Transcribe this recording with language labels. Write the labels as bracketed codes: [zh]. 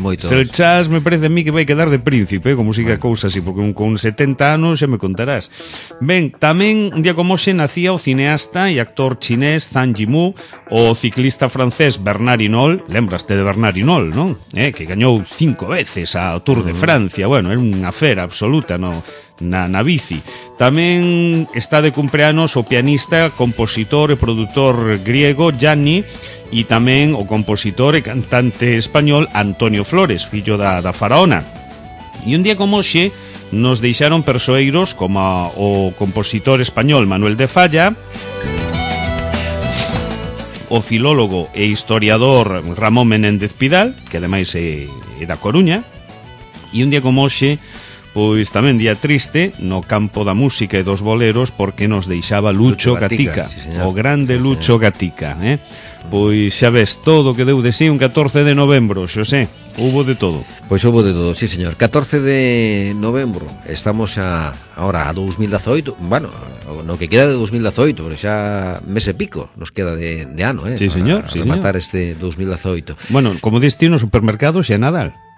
[es] El Charles me parece a mí que va a quedar de príncipe, como siga cosa así, porque con 70 años ya me contarás. [gl] Ven, también un día como se nacía o cineasta y actor chinés Zhang Yimou, o ciclista francés Bernard Hinault. Lembraste de Bernard Hinault, ¿no? Que gañou 5 veces a Tour de Francia. Bueno, é unha fera absoluta, ¿no? na bici. Tamén está de cumpreanos o pianista, compositor e produtor griego Gianni, e tamén o compositor e cantante español Antonio Flores, fillo da Faraona. E un día como hoxe nos deixaron persoeiros como o compositor español Manuel de Falla, o filólogo e historiador Ramón Menéndez Pidal, que ademais é da Coruña. E un día como hoxe, pois tamén día triste no campo da música e dos boleros, porque nos deixaba Lucho Gatica, sí, o grande, sí, Lucho Gatica, Pois xa ves, todo que deu de sí un 14 de novembro, Xosé, hubo de todo. Pois hubo de todo, sí, señor. 14 de novembro, estamos ahora a 2018, bueno, no que queda de 2018, porque xa mes e pico nos queda de ano, Sí, señor, para rematar este 2018. Bueno, como destino supermercado, xa Nadal.